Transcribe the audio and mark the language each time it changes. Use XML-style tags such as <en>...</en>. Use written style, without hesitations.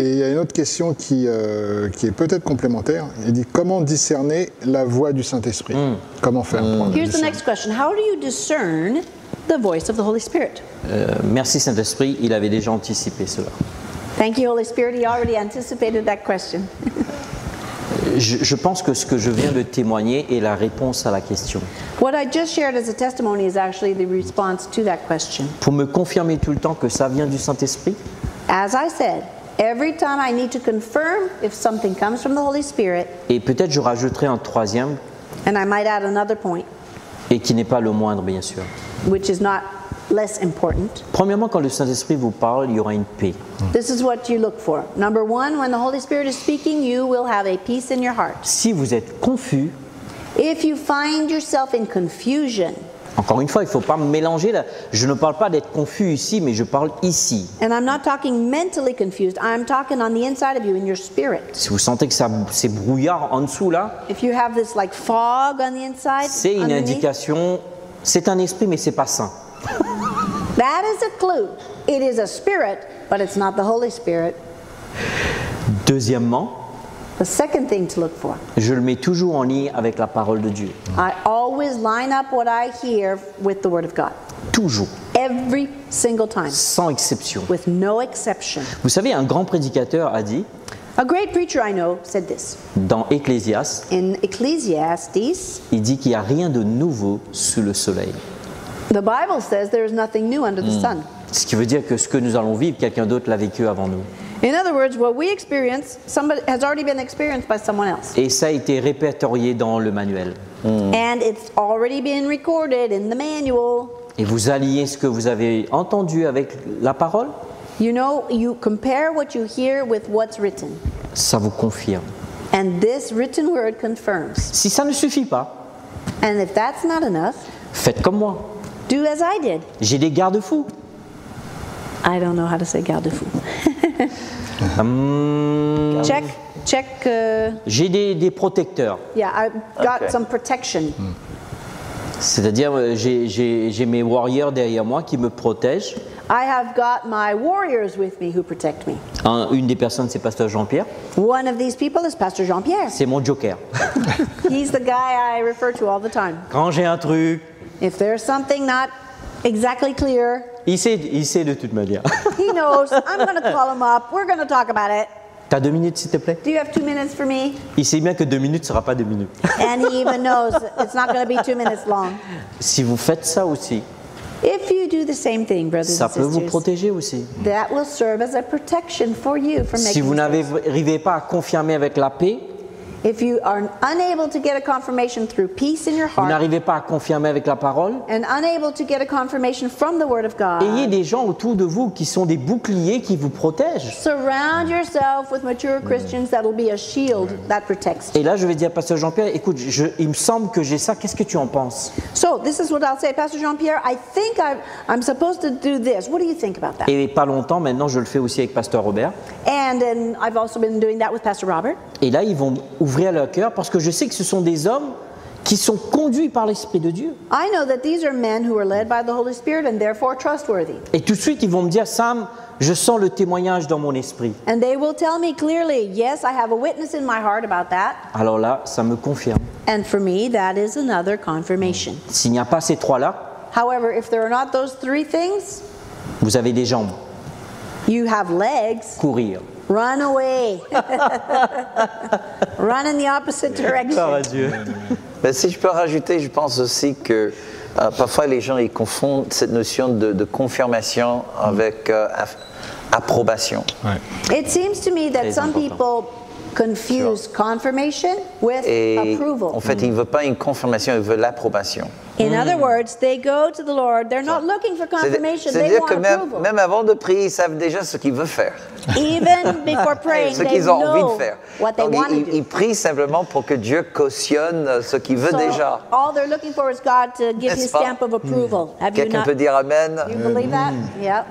<fr>Et il y a une autre question qui est peut-être complémentaire. Il dit comment discerner la voix du Saint-Esprit. Comment faire pour discerner?</fr> <en>Here's the next question. How do you discern the voice of the Holy Spirit?</en> <fr>Merci Saint-Esprit, il avait déjà anticipé cela.</fr> <en>Thank you Holy Spirit, he already anticipated that question.</en> <fr>Je pense que ce que je viens de témoigner est la réponse à la question.</fr> <en>What I just shared as a testimony is actually the response to that question.</en> <fr>Pour me confirmer tout le temps que ça vient du Saint-Esprit.</fr> <en>As I said, every time I need to confirm if something comes from the Holy Spirit.</en> <fr>Et peut-être je rajouterai un troisième.</fr> <en>And I might add another point.</en> <fr>Et qui n'est pas le moindre, bien sûr.</fr> <en>Which is not less important.</en> <fr>Premièrement, quand le Saint-Esprit vous parle, il y aura une paix.</fr> <en>This is what you look for. Number one, when the Holy Spirit is speaking, you will have a peace in your heart.</en> <fr>Si vous êtes confus.</fr> <en>If you find yourself in confusion.</en> <fr>Encore une fois, il ne faut pas mélanger là. Je ne parle pas d'être confus ici, mais je parle ici.</fr> <en>And I'm not talking mentally confused. I'm talking on the inside of you, in your spirit.</en> <fr>Si vous sentez que ça, c'est brouillard en dessous là.</fr> <en>If you have this like fog on the inside.</en> <fr>C'est une</fr> <en>underneath.</en> <fr>Indication. C'est un esprit, mais c'est pas saint.</fr> <en>That is a clue. It is a spirit, but it's not the Holy Spirit.</en> <fr>Deuxièmement,</fr> <en>the second thing to look for.</en> <fr>Je le mets toujours en lien avec la parole de Dieu.</fr> <en>I always line up what I hear with the word of God.</en> <fr>Toujours.</fr> <en>Every single time.</en> <fr>Sans exception.</fr> <en>With no exception.</en> <fr>Vous savez, un grand prédicateur a dit.</fr> <en>A great preacher I know said this.</en> <fr>Dans Ecclésiaste.</fr> <en>In Ecclesiastes.</en> <fr>Il dit qu'il n'y a rien de nouveau sous le soleil.</fr> <en>The Bible says there is nothing new under the sun.</en> <fr>Ce qui veut dire que ce que nous allons vivre, quelqu'un d'autre l'a vécu avant nous.</fr> <en>In other words, what we experience, somebody has already been experienced by someone else.</en> <fr>Et ça a été répertorié dans le manuel.</fr> <en>And it's already been recorded in the manual.</en> <fr>Et vous alliez ce que vous avez entendu avec la parole?</fr> <en>You know, you compare what you hear with what's written.</en> <fr>Ça vous confirme.</fr> <en>And this written word confirms.</en> <fr>Si ça ne suffit pas.</fr> <en>And if that's not enough.</en> <fr>Faites comme moi.</fr> <en>Do as I did.</en> <fr>J'ai des garde-fous.</fr> <en>I don't know how to say garde-fous. check.</en> <fr>J'ai des protecteurs.</fr> <en>Yeah, I got some protection.</en> <fr>C'est-à-dire, j'ai mes warriors derrière moi qui me protègent.</fr> <en>I have got my warriors with me who protect me.</en> <fr>Une des personnes, c'est Pasteur Jean-Pierre.</fr> <en>One of these people is Pastor Jean-Pierre.</en> <fr>C'est mon joker.</fr> <en>He's the guy I refer to all the time.</en> <fr>Quand j'ai un truc.</fr> <en>If there's something not exactly clear,</en> <fr>il sait de toute manière.</fr> <en>He knows. I'm going to call him up. We're going to talk about it.</en> <fr>T'as 2 minutes, s'il te plaît?</fr> <en>Do you have 2 minutes for me?</en> <fr>Il sait bien que 2 minutes ne sera pas 2 minutes.</fr> <en>And he even knows it's not going to be 2 minutes long.</en> <fr>Si vous faites ça aussi,</fr> <en>if you do the same thing, brothers</en> <fr>ça</fr> <en>and sisters,</en> <fr>peut vous protéger aussi.</fr> <en>That will serve as a protection for you from</en> <fr>si Si vous n'arrivez pas à confirmer avec la paix.</fr> <en>If you are unable to get a confirmation through peace in your heart,</en> <fr>vous n'arrivez pas à confirmer avec la parole,</fr> <en>and unable to get a confirmation from the word of God,</en> <fr>ayez des gens autour de vous qui sont des boucliers qui vous protègent.</fr> <en>Surround yourself with mature Christians that will be a shield that protects you.</en> <fr>Et là, je vais dire à Pasteur Jean-Pierre, écoute, il me semble que j'ai ça, qu'est-ce que tu en penses?</fr> <en>So, this is what I'll say, Pastor Jean-Pierre, I think I'm supposed to do this. What do you think about that?</en> <fr>Et pas longtemps, maintenant, je le fais aussi avec Pasteur Robert.</fr> <en>And I've also been doing that with Pastor Robert.</en> <fr>Et là, ils vont ouvrir leur cœur parce que je sais que ce sont des hommes qui sont conduits par l'Esprit de Dieu.</fr> <en>I know that these are men who are led by the Holy Spirit and therefore trustworthy.</en> <fr>Et tout de suite, ils vont me dire, Sam, je sens le témoignage dans mon esprit.</fr> <en>And they will tell me clearly, yes, I have a witness in my heart about that.</en> <fr>Alors là, ça me confirme.</fr> <en>And for me, that is another confirmation.</en> <fr>S'il n'y a pas ces trois-là,</fr> <en>however, if there are not those three things,</en> <fr>vous avez des jambes.</fr> <en>You have legs.</en> <fr>Courir.</fr> <en>Run away. Run in the opposite direction.</en> <fr>Gloire à Dieu. Mais si je peux rajouter, je pense aussi que parfois les gens ils confondent cette notion de confirmation avec approbation. Ouais.</fr> <en>It seems to me that</en> <fr>très</fr> <en>some important. People confuse sure. confirmation with</en> <fr>et</fr> <en>approval.</en> <fr>En fait, ils ne veulent pas une confirmation, ils veulent l'approbation.</fr> <en>In other words, they go to the Lord. They're not looking for confirmation. They want approval.</en> <fr>C'est-à-dire que même avant de prier, ils savent déjà ce qu'ils veulent faire.</fr> <en>Even before praying,</en> <fr>ce qu'ils ont envie de faire. Ils prient simplement pour que Dieu cautionne ce qu'ils veulent déjà.</fr> <en>All they're looking for is God to give his stamp of approval.</en> <fr>Quelqu'un peut dire amen.</fr> <en>You believe that? Yeah.</en>